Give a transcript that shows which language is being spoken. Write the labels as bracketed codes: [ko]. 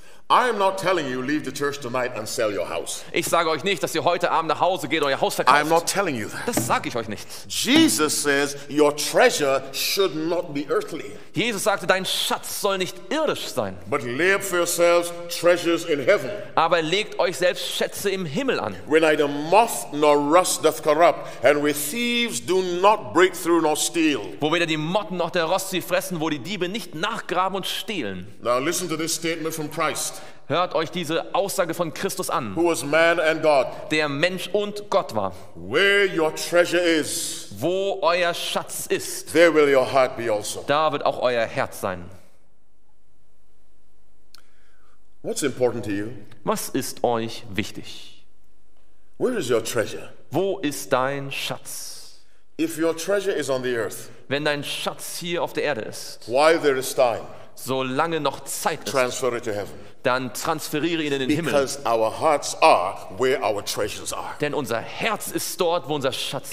[en] I am not telling you leave the church tonight and sell your house. [de] Ich sage euch nicht, dass ihr heute Abend nach Hause geht und euer Haus verkauft. [en] I am not telling you that. [de] Das sage ich euch nicht. [en] Jesus says your treasure should not be earthly. [de] Jesus sagte, dein Schatz soll nicht irdisch sein. [en] But lay up for yourselves treasures in heaven. [de] Aber legt euch selbst Schätze im Himmel an. [en] Where neither moth nor rust doth corrupt, and where thieves do not break through nor steal. [de] Wo weder die Motten noch der Rost sie fressen, wo die Diebe nicht nachgraben und stehlen. [en] Now listen to this statement from Christ. [de] Hört euch diese Aussage von Christus an, [en] who was man and God. [de] Der Mensch und Gott war. [en] Where your treasure is, [de] wo euer Schatz ist, [en] there will your heart be also. [de] Da wird auch euer Herz sein. [en] What's important to you? [de] Was ist euch wichtig? [en] Where is your treasure? [de] Wo ist dein Schatz? [en] If your treasure is on the earth, [de] wenn dein Schatz hier auf der Erde ist, [en] while there is time, [de] solange noch Zeit ist, [en] transfer it to heaven. [de] Dann transferiere ihn in den Himmel. [en] Because our hearts are where our treasures are. [de] Denn unser Herz ist dort, wo unser Schatz